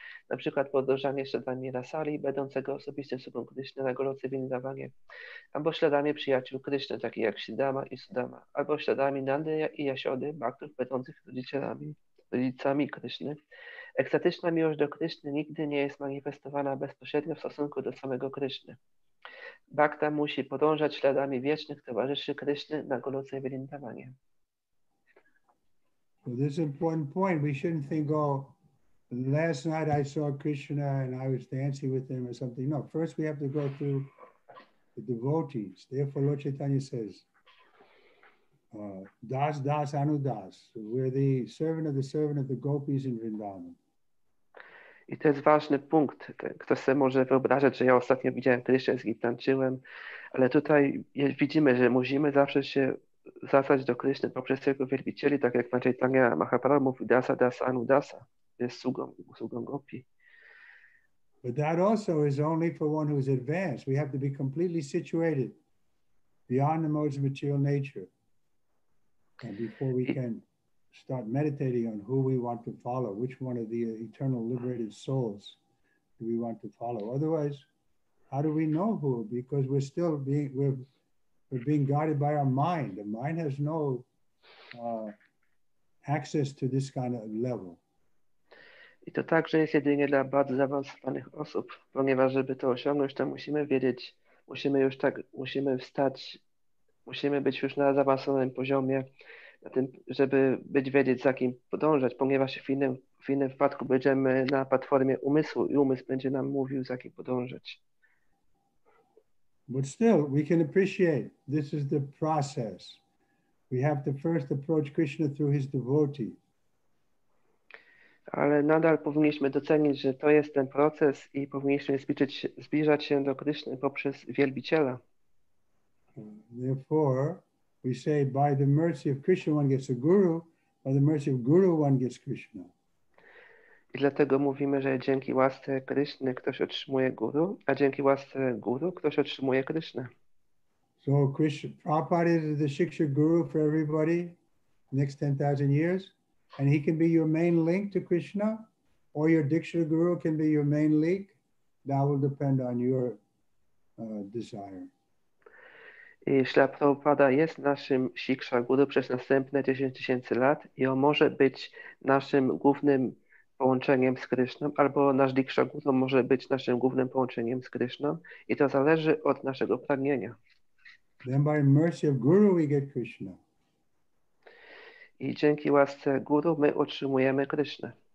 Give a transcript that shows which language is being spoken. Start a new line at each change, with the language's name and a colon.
Polish: Na przykład podążanie śladami Rasali, będącego osobistym sługą Kryszny na Goloce Vrindavanie, albo śladami przyjaciół Kryszny, takich jak Sridhama i Sudama, albo śladami Nandy i Jasiody, baktów będących rodzicami Kryszny. Ekstatyczna miłość do Kryszny nigdy nie jest manifestowana bezpośrednio w stosunku do samego Kryszny. Bhakta musi podążać śladami wiecznych towarzyszy Kryszny na Goloce Vrindavanie.
English: This is one point. We shouldn't think, last night I saw Krishna and I was dancing with him or something. No, first we have to go through the devotees. Therefore, Lord Chaitanya says,
Sanskrit: Das Das Anudas.
English: We're the servant of the gopis in Vrindavan.
Polish: I to jest ważny punkt. Ktoś sobie może wyobrażać, że ja ostatnio widziałem Krishna, z kim tańczyłem, ale tutaj widzimy, że musimy zawsze się zwracać do Krishna poprzez jego wielbicieli, tak jak Pan Chaitanya Mahaprabhu mówi,
Sanskrit: Dasa Das Anudasa.
Polish: Jest sługą Gopi.
English: But that also is only for one who is advanced. We have to be completely situated beyond the modes of material nature. And before we can start meditating on who we want to follow, which one of the eternal liberated souls do we want to follow? Otherwise, how do we know who? Because we're still being, we're being guided by our mind. The mind has no access to this kind of level.
Polish: I to także jest jedynie dla bardzo zaawansowanych osób, ponieważ żeby to osiągnąć, to musimy wiedzieć, musimy już tak, musimy wstać, Musimy być już na zaawansowanym poziomie, na tym, żeby być wiedzieć, za kim podążać, ponieważ w innym wypadku będziemy na platformie umysłu i umysł będzie nam mówił, za kim podążać.
English: But still, we can appreciate this is the process. We have to first approach Krishna through his devotee.
Polish: Ale nadal powinniśmy docenić, że to jest ten proces i powinniśmy zbliżać się do Kryszny poprzez wielbiciela.
English: Therefore, we say by the mercy of Krishna one gets a guru, by the mercy of guru one gets Krishna.
Polish: I dlatego mówimy, że dzięki łasce Kryszny ktoś otrzymuje guru, a dzięki łasce guru ktoś otrzymuje Krysznę.
English: So Krishna, Prabhupada is the Shiksha guru for everybody next 10,000 years, and he can be your main link to Krishna, or your Diksha guru can be your main link. That will depend on your desire.
Polish: I Śla Prabhupada jest naszym Shiksha guru przez następne 10 tysięcy lat i on może być naszym głównym połączeniem z Kryszną, albo nasz Diksha guru może być naszym głównym połączeniem z Kryszną i to zależy od naszego pragnienia.
English: Then by mercy of guru we get Krishna.
Polish: I dzięki łasce guru my otrzymujemy Krysznę.